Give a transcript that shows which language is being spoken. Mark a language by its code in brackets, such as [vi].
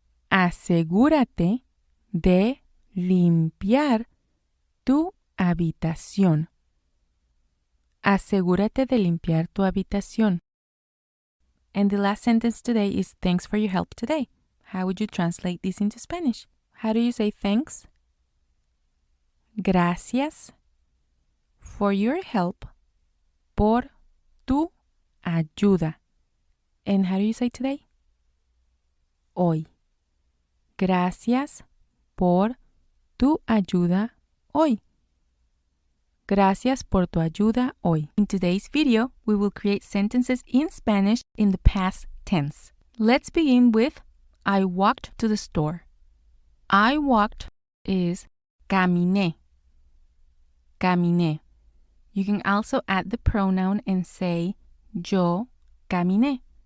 [es] Asegúrate de limpiar tu habitación. Asegúrate de limpiar tu habitación. [en] And the last sentence today is thanks for your help today. How would you translate this into Spanish? How do you say thanks? Gracias for your help. [es] Por tu ayuda. [en] And how do you say today? [es] Hoy. Gracias por tu ayuda hoy. Gracias por tu ayuda hoy. [en] In today's video, we will create sentences in Spanish in the past tense. Let's begin with I walked to the store. I walked is [es] caminé. Caminé. [en] You can also add the pronoun and say [es] yo caminé.